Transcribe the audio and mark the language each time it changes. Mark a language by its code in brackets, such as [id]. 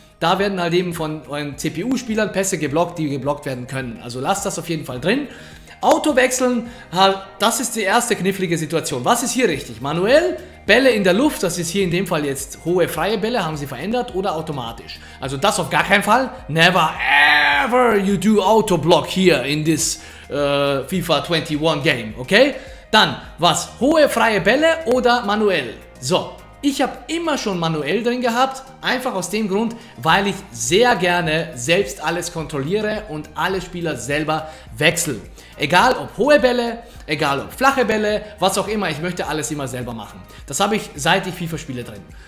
[de] Da werden halt eben von euren CPU-Spielern Pässe geblockt, die geblockt werden können. Also lasst das auf jeden Fall drin. Auto wechseln, das ist die erste knifflige Situation. Was ist hier richtig? Manuell, Bälle in der Luft, das ist hier in dem Fall jetzt hohe freie Bälle, haben sie verändert, oder automatisch? Also das auf gar keinen Fall. [en] Never ever you do auto block here in this FIFA 21 game, okay? [de] Dann, was? Hohe freie Bälle oder manuell? So, ich habe immer schon manuell drin gehabt, einfach aus dem Grund, weil ich sehr gerne selbst alles kontrolliere und alle Spieler selber wechseln. Egal ob hohe Bälle, egal ob flache Bälle, was auch immer, ich möchte alles immer selber machen. Das habe ich, seit ich FIFA spiele, drin.